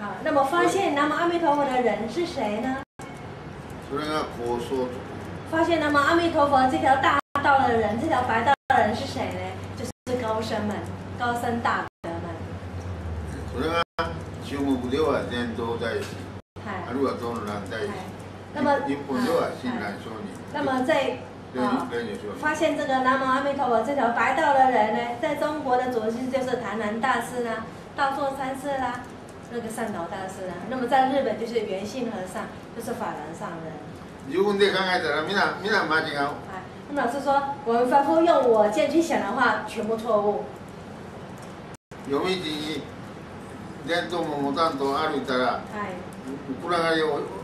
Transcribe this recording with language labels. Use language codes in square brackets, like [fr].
[zh] 那么发现南无阿弥陀佛的人是谁呢？ [ja] それが高僧。 [zh] 发现南无阿弥陀佛这条大道的人，这条白道的人是谁呢？就是高僧们，高僧大德们。 [ja] それが中国では伝道大師、あるいは道南大師。 [zh] 那么 [ja] 日本では親鸞聖人。 [zh] 那么在发现这个南无阿弥陀佛这条白道的人呢，在中国的祖师就是坛南大师呢，道座禅师啦，那个善导大师啦。那么在日本就是圆信和尚，就是法然上人。 [ja] 自分で考えたら、みんな間違う。 [zh] 那么老师说，我们反复用我见去想的话，全部错误。 [ja] 読み聞き、伝統も持たんと歩いたら、暗がりを。